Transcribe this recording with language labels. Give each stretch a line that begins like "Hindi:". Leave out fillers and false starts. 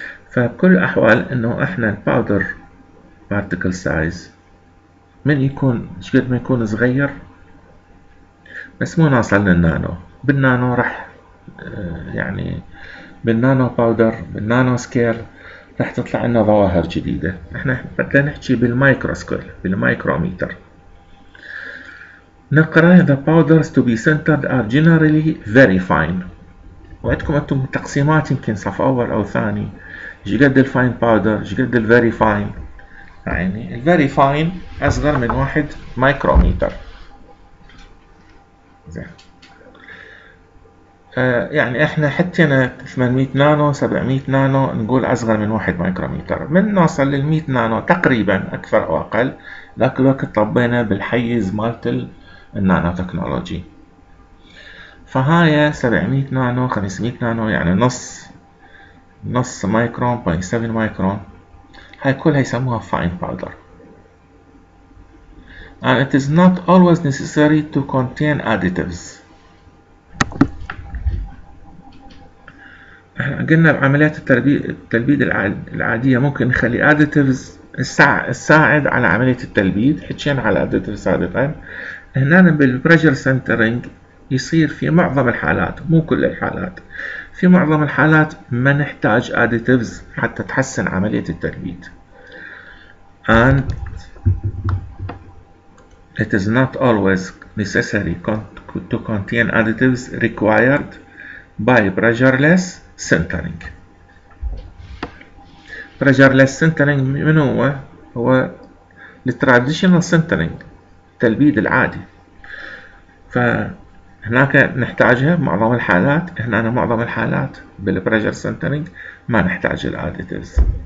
Arabic: فبكل الأحوال إنه إحنا الباودر بارتيكل سايز من يكون شقد ما يكون صغير، بس مو ناصل للنانو، بالنانو راح يعني بالنانو باودر بالنانو سكيل راح تطلع لنا ظواهر جديدة. إحنا بدنا نحكي بالمايكرو سكيل بالمايكروميتر.
English: نقرأ the powders to be centered are generally very fine.
Arabic: وعندكم أنتم تقسيمات يمكن صف أول أو ثاني، شقد الفاين باودر شقد الفيري فاين، يعني الفيري فاين اصغر من واحد مايكروميتر. زين، يعني احنا حكينا 800 نانو 700 نانو، نقول اصغر من 1 مايكرومتر، من نوصل لل 100 نانو تقريبا اكثر او اقل، ذاك الوقت طبينا بالحيز مالت النانو تكنولوجي. فهاي 700 نانو 500 نانو يعني نص مايكرون 0.7 مايكرون، هاي كلها يسموها فاين باودر.
English: And it is not always necessary to contain additives.
Arabic: احنا قلنا بعمليات التلبيد العادية ممكن نخلي additives تساعد على عملية التلبيد، حكينا على additives سابقا. هنا بالبريشر سنترنج يصير في معظم الحالات، مو كل الحالات، في معظم الحالات ما نحتاج additives حتى تحسن عملية التلبيد.
English: And it is not always necessary to contain additives required by pressureless sintering.
Arabic: Pressureless sintering من هو؟ هو الترديشنال sintering، التلبيد العادي. فهناك نحتاجها معظم الحالات، هنا معظم الحالات بالبريشر sintering ما نحتاج الاديتيفز.